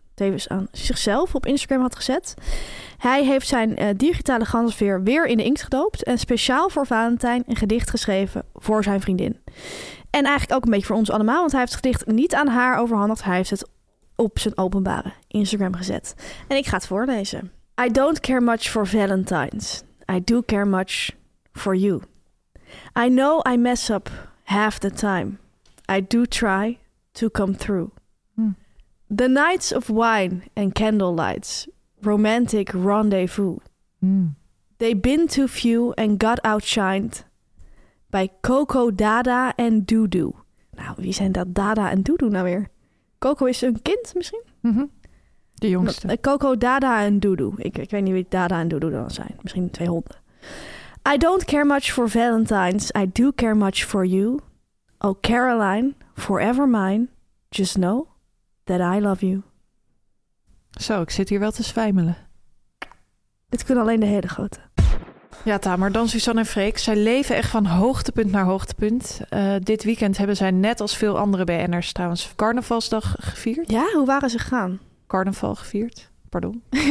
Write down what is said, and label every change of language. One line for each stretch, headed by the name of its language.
Dutch: tevens aan zichzelf op Instagram had gezet. Hij heeft zijn digitale ganzenveer weer in de inkt gedoopt en speciaal voor Valentijn een gedicht geschreven voor zijn vriendin. En eigenlijk ook een beetje voor ons allemaal, want hij heeft het gedicht niet aan haar overhandigd. Hij heeft het op zijn openbare Instagram gezet. En ik ga het voorlezen.
English: I don't care much for Valentines. I do care much for you. I know I mess up half the time. I do try to come through. The nights of wine and candle lights, romantic rendezvous. They've been too few and got outshined by Coco, Dada
Dutch: en
English: Dudu.
Dutch: Nou, wie zijn dat Dada en Dudu nou weer? Coco is een kind misschien? Mm-hmm. De jongste. Coco, Dada en Dudu. Ik weet niet wie Dada en Dudu dan zijn. Misschien twee honden.
English: I don't care much for Valentine's. I do care much for you. Oh, Caroline, forever mine. Just know that I love you.
Dutch: Zo, ik zit hier wel te zwijmelen. Dit kunnen alleen de hele grote. Ja, Tamer, dan Suzanne en Freek. Zij leven echt van hoogtepunt naar hoogtepunt. Dit weekend hebben zij net als veel andere BN'ers trouwens carnavalsdag gevierd. Ja, hoe waren ze gegaan? Carnaval gevierd, pardon.